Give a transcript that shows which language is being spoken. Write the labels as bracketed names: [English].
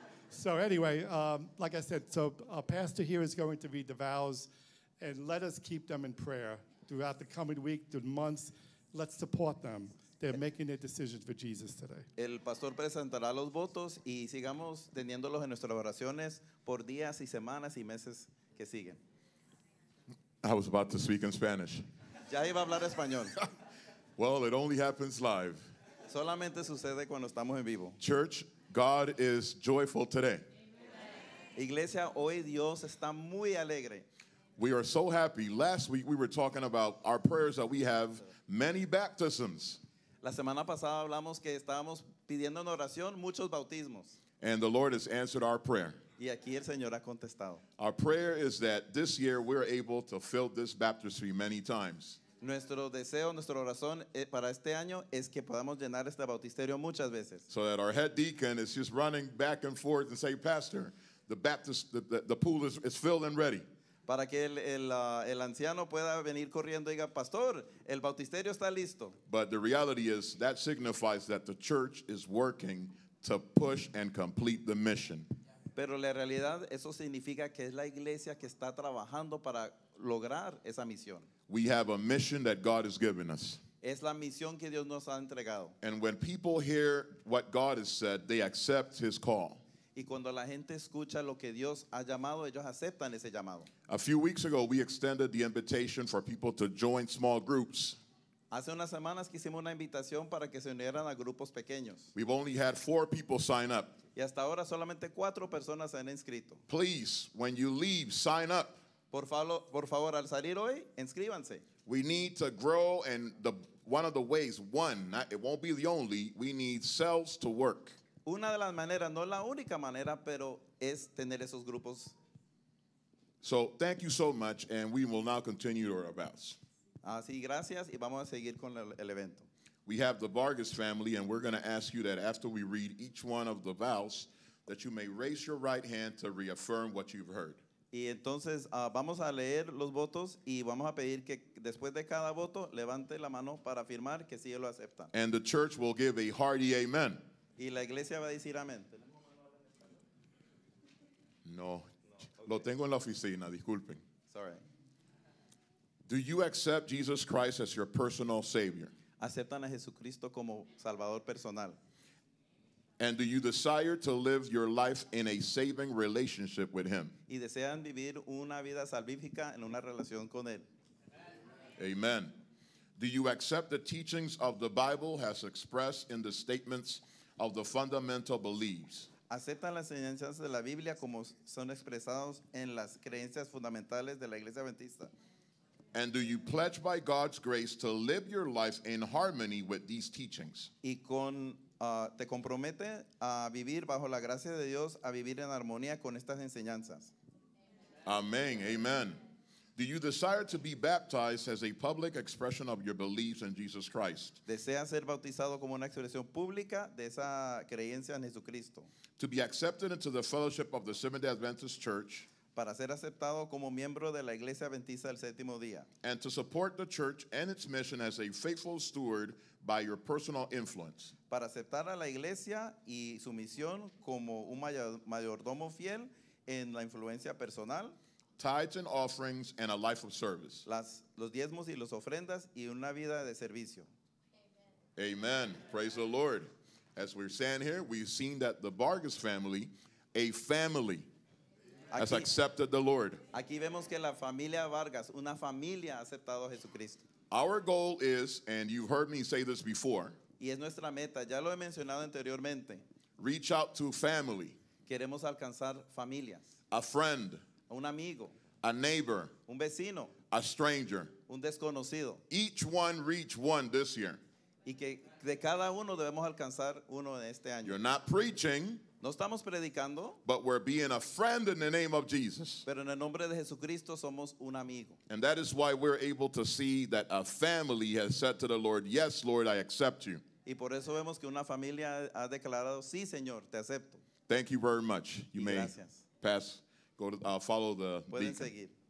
[English] So anyway, like I said, so our pastor here is going to read the vows, and let us keep them in prayer throughout the coming week, through the months. Let's support them. They're making their decisions for Jesus today. [Spanish] El pastor presentará los votos y sigamos teniéndolos en nuestras oraciones por días y semanas y meses que siguen. [English] I was about to speak in Spanish. [Spanish] Ya iba a hablar español. [English] Well, it only happens live. [Spanish] Solamente sucede cuando estamos en vivo. [English] Church, God is joyful today. [Spanish] Iglesia, hoy Dios está muy alegre. [English] We are so happy. Last week we were talking about our prayers that we have many baptisms. [Spanish] La semana pasada hablamos que estábamos pidiendo en oración muchos bautismos. [English] And the Lord has answered our prayer. [Spanish] Y aquí el Señor ha contestado. [English] Our prayer is that this year we're able to fill this baptistry many times. [Spanish] Nuestro deseo, nuestra oración para este año es que podamos llenar este bautisterio muchas veces. [English] So that our head deacon is just running back and forth and say, Pastor, the pool is filled and ready. [Spanish] Para que el anciano pueda venir corriendo y diga, Pastor, el bautisterio está listo. [English] But the reality is that signifies that the church is working to push and complete the mission. [Spanish] Pero la realidad, eso significa que es la iglesia que está trabajando para lograr esa misión. [English] We have a mission that God has given us. [Spanish] Es la misión que Dios nos ha entregado. [English] And when people hear what God has said, they accept his call. [Spanish] Y cuando la gente escucha lo que Dios ha llamado, ellos aceptan ese llamado. [English] A few weeks ago, we extended the invitation for people to join small groups. [Spanish] Hace unas semanas que hicimos una invitación para que se unieran a grupos pequeños. [English] We've only had 4 people sign up. [Spanish] Y hasta ahora solamente 4 personas se han inscrito. [English] Please, when you leave, sign up. [Spanish] Por favor, al salir hoy, inscríbanse. [English] We need to grow, and it won't be the only, we need cells to work. [Spanish] Una de las maneras, no la única manera, pero es tener esos grupos. [English] So, thank you so much, and we will now continue our vows. [Spanish] Así, gracias, y vamos a seguir con el evento. [English] We have the Vargas family, and we're going to ask you that after we read each one of the vows, that you may raise your right hand to reaffirm what you've heard. [Spanish] Y entonces vamos a leer los votos y vamos a pedir que después de cada voto levante la mano para afirmar que sí lo acepta. [English] And the church will give a hearty amen. [Spanish] Y la iglesia va a decir amén. No, okay. Lo tengo en la oficina, disculpen. [English] Sorry. Do you accept Jesus Christ as your personal Savior? [Spanish] ¿Aceptan a Jesucristo como Salvador personal? [English] And do you desire to live your life in a saving relationship with him? [Spanish] ¿Y desean vivir una vida salvífica en una relación con él? [English] Amen. Do you accept the teachings of the Bible as expressed in the statements of the fundamental beliefs? [Spanish] ¿Aceptan las enseñanzas de la Biblia como son expresados en las creencias fundamentales de la Iglesia Adventista? [English] And do you pledge by God's grace to live your life in harmony with these teachings? [Spanish] ¿Y te compromete a vivir bajo la gracia de Dios a vivir en armonía con estas enseñanzas? [English] Amen. Amen. Do you desire to be baptized as a public expression of your beliefs in Jesus Christ? [Spanish] ¿Desea ser bautizado como una expresión pública de esa creencia en Jesucristo? [English] To be accepted into the fellowship of the Seventh-day Adventist Church. [Spanish] Para ser aceptado como miembro de la Iglesia Adventista del Séptimo Día. [English] And to support the church and its mission as a faithful steward by your personal influence. [Spanish] Para aceptar a la iglesia y su misión como un mayordomo fiel en la influencia personal. [English] Tithes and offerings and a life of service. [Spanish] Los diezmos y las ofrendas y una vida de servicio. [English] Amen. Amen. Praise the Lord. As we're standing here, we've seen that the Vargas family, a family, has accepted the Lord. [Spanish] Aquí vemos que la familia Vargas, una familia, ha aceptado a Jesucristo. [English] Our goal is, and you've heard me say this before. [Spanish] Y es nuestra meta, ya lo he mencionado anteriormente. [English] Reach out to family. [Spanish] Queremos alcanzar familias. [English] A friend. [Spanish] Un amigo. [English] A neighbor. [Spanish] Un vecino. [English] A stranger. [Spanish] Un desconocido. [English] Each one reach one this year. [Spanish] Y que de cada uno debemos alcanzar uno en este año. [English] You're not preaching. [Spanish] No estamos predicando. [English] But we're being a friend in the name of Jesus. [Spanish] Pero en el nombre de Jesucristo somos un amigo. [English] And that is why we're able to see that a family has said to the Lord, yes, Lord, I accept you. [Spanish] Y por eso vemos que una familia ha declarado, sí, Señor, te acepto. [English] Thank you very much. You [Spanish] y [English] may [Spanish] gracias. [English] Pass. Go to, follow the [Spanish] pueden [English] deacon. [Spanish] Seguir.